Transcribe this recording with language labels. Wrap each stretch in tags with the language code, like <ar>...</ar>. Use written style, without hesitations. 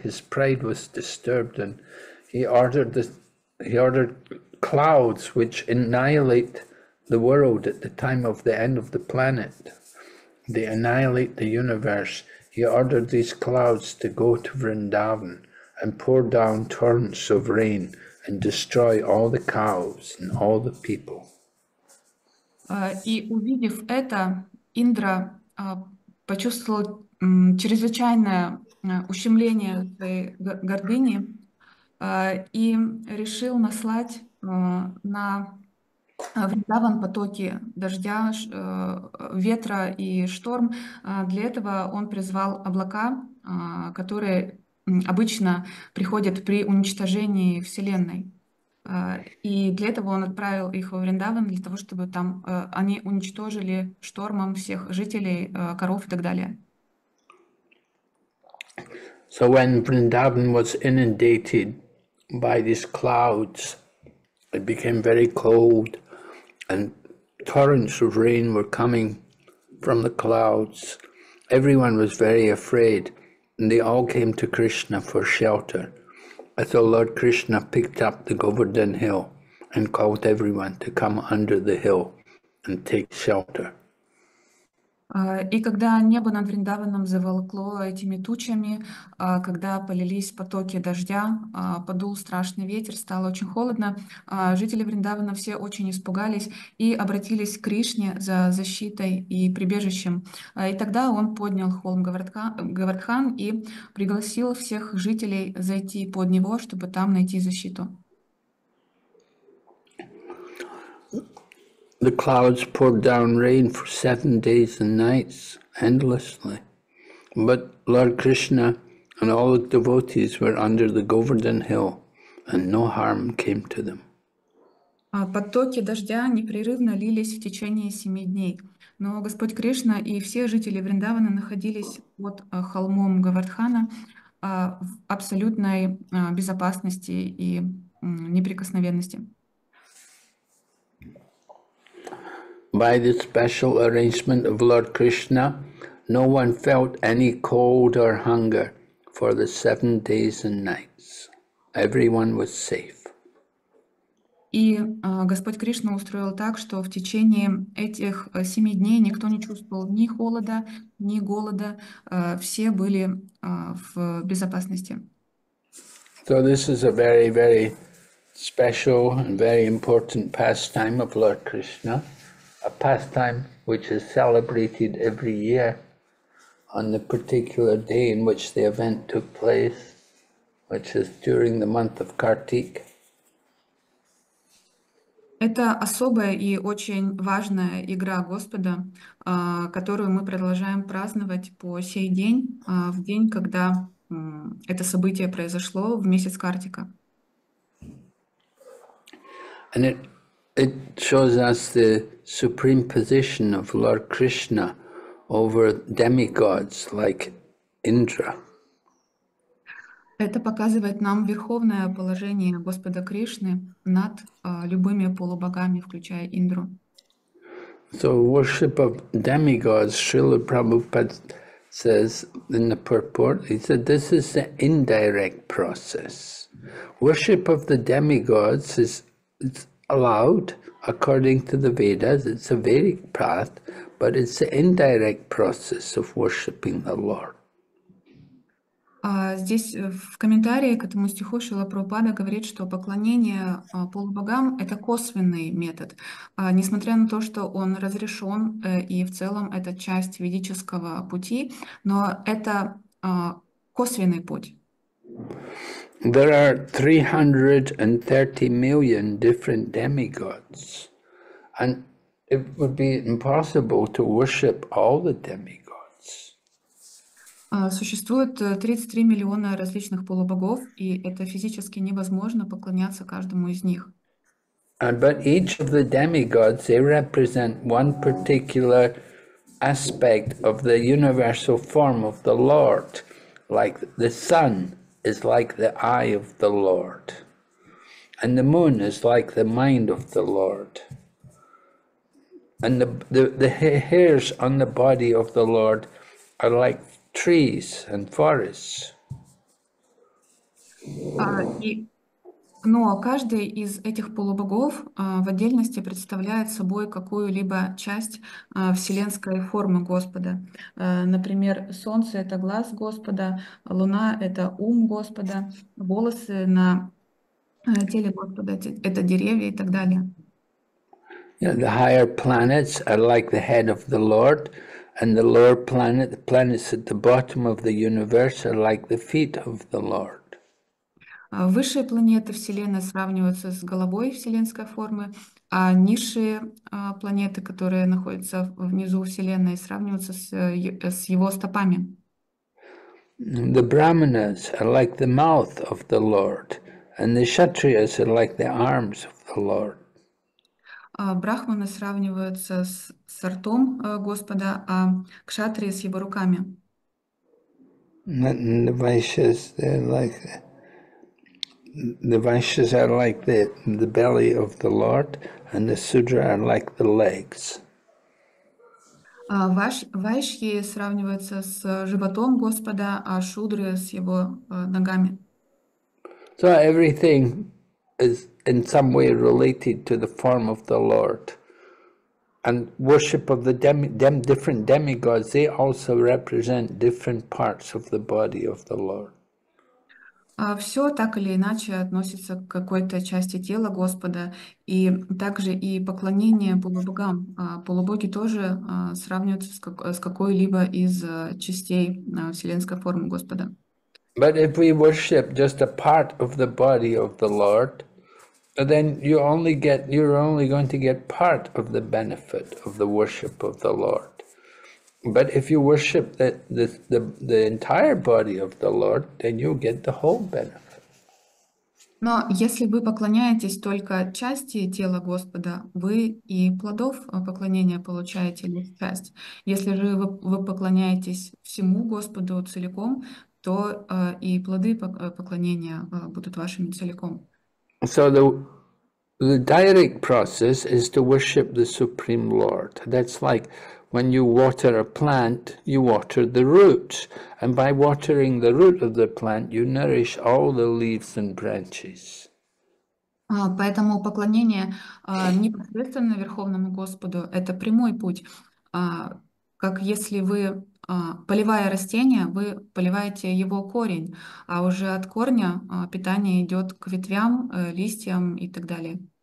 <en>His pride was disturbed, and he ordered clouds which annihilate the world at the time of the end of the planet. They annihilate the universe. He ordered these clouds to go to Vrindavan and pour down torrents of rain and destroy all the cows and all the people.</en> <ru>И увидев это, Индра почувствовал чрезвычайное ущемление своей гордыни и решил наслать на Вриндаван потоки дождя, ветра и шторм. Для этого он призвал облака, которые обычно приходят при уничтожении Вселенной. И для этого он отправил их во Вриндаван, для того, чтобы там они уничтожили штормом всех жителей, коров и так далее.</ru> <en>So when Vrindavan was inundated by these clouds, it became very cold, and torrents of rain were coming from the clouds. Everyone was very afraid, and they all came to Krishna for shelter. So Lord Krishna picked up the Govardhan Hill and called everyone to come under the hill and take shelter.</en> <ru>И когда небо над Вриндаваном заволокло этими тучами, когда полились потоки дождя, подул страшный ветер, стало очень холодно, жители Вриндавана все очень испугались и обратились к Кришне за защитой и прибежищем. И тогда он поднял холм Говардхан и пригласил всех жителей зайти под него, чтобы там найти защиту.</ru> <en>The clouds poured down rain for 7 days and nights, endlessly. But Lord Krishna and all the devotees were under the Govardhan Hill, and no harm came to them.</en> <ru>Потоки дождя непрерывно лились в течение 7 дней. Но Господь Кришна и все жители Вриндавана находились под холмом Говардхана в абсолютной безопасности и неприкосновенности.</ru> <en>By this special arrangement of Lord Krishna, no one felt any cold or hunger for the 7 days and nights. Everyone was safe.</en> <ru>И Господь Кришна устроил так, что в течение этих 7 дней никто не чувствовал ни холода, ни голода. Все были в безопасности.</ru> <en>So this is a very, very special and very important pastime of Lord Krishna. A pastime which is celebrated every year on the particular day in which the event took place, which is during the month of Kartik.</en> <ru>Это особая и очень важная игра Господа, которую мы продолжаем праздновать по сей день, в день, когда это событие произошло в месяц Картика.</ru> <en>It shows us the supreme position of Lord Krishna over demigods like Indra.</en> <ru>Это показывает нам верховное положение Господа Кришны над любыми полубогами, включая Индру.</ru> <en>So worship of demigods, Srila Prabhupada says in the purport, he said this is the indirect process. Worship of the demigods is it's allowed according to the Vedas. It's a Vedic path, but it's an indirect process of worshipping the Lord.</en> <ru>Здесь в комментарии к этому стиху Шрила Прабхупада говорит, что поклонение полубогам — это косвенный метод. Несмотря на то, что он разрешен и в целом это часть ведического пути, но это косвенный путь.</ru> <en>There are 330 million different demigods, and it would be impossible to worship all the demigods.</en> <ru>Существует 33 миллиона различных полубогов, и это физически невозможно поклоняться каждому из них.</ru> <en>And but each of the demigods, they represent one particular aspect of the universal form of the Lord, like the sun. Is like the eye of the Lord, and the moon is like the mind of the Lord, and the hairs on the body of the Lord are like trees and forests.</en> <ru>Но каждый из этих полубогов в отдельности представляет собой какую-либо часть вселенской формы Господа. Например, Солнце — это глаз Господа, Луна — это ум Господа, волосы на теле Господа — это деревья и так далее.</ru> <en>The higher planets are like the head of the Lord, and the lower planet, the planets at the bottom of the universe, are like the feet of the Lord.</en> <ru>Высшие планеты Вселенной сравниваются с головой вселенской формы, а низшие планеты, которые находятся внизу Вселенной, сравниваются с его стопами.</ru> <en>The Brahmanas are like the mouth of the Lord, and the Kshatriyas are like the arms of the Lord.</en> <ru>Брахманы сравниваются с ртом Господа, а кшатрии с его руками.</ru> <en>And the Vaishyas are like the belly of the Lord, and the Sudra are like the legs.</en> <ru>Вайшьи сравниваются с животом Господа, а шудры с его ногами.</ru> <en>So everything is in some way related to the form of the Lord. And worship of the different demigods, they also represent different parts of the body of the Lord.</en> <ru>Все так или иначе относится к какой-то части тела Господа, и также и поклонение полубогам. Полубоги тоже сравниваются с какой-либо из частей вселенской формы Господа.</ru> <en>But if we worship just a part of the body of the Lord, then you're only going to get part of the benefit of the worship of the Lord. But if you worship the entire body of the Lord, then you'll get the whole benefit.</en> <ru>Но если вы поклоняетесь только части тела Господа, вы и плодов поклонения получаете лишь часть. Если же вы поклоняетесь всему Господу целиком, то и плоды поклонения будут вашими целиком.</ru> <en>So the direct process is to worship the Supreme Lord. That's like when you water a plant, you water the roots. And by watering the root of the plant, you nourish all the leaves and branches.</en> <ru>Поэтому поклонение непосредственно Верховному Господу – это прямой путь. Как если вы, поливая растение, вы поливаете его корень, а уже от корня питание идет к ветвям, листьям и так далее.</ru>